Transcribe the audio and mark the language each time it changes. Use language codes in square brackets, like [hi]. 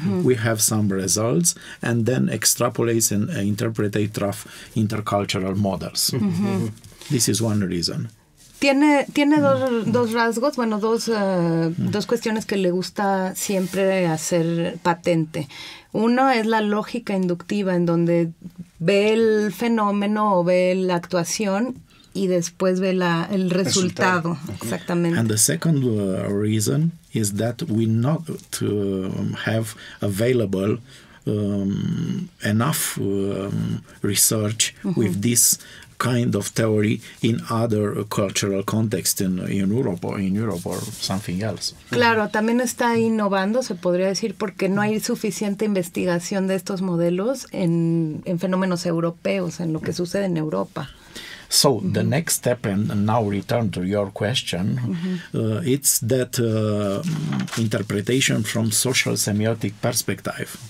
[en] We have some results and then extrapolate and interpret rough intercultural models. This is one reason. [es] Tiene dos rasgos, bueno, dos cuestiones que le gusta siempre hacer patente. Uno es la lógica inductiva, en donde ve el fenómeno o ve la actuación y después ve el resultado. Exactamente. [en] And the second reason is that we not to have available enough research with this kind of theory in other cultural contexts in Europe or something else. [es] Claro, también está innovando, se podría decir, porque no hay suficiente investigación de estos modelos en fenómenos europeos, en lo que sucede en Europa. [en] So the next step, and now return to your question, it's that interpretation from social semiotic perspective.